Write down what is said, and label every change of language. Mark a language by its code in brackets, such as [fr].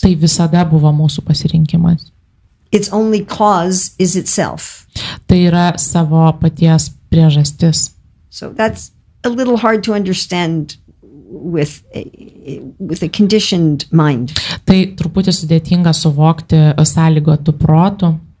[lt] Tai visada buvo mūsų pasirinkimas. [en] Its only cause is itself. [lt] Tai yra savo paties priežastis. [en] So that's a little hard to understand with a conditioned mind. [lt] Tai truputį sudėtinga suvokti sąlygotų protų.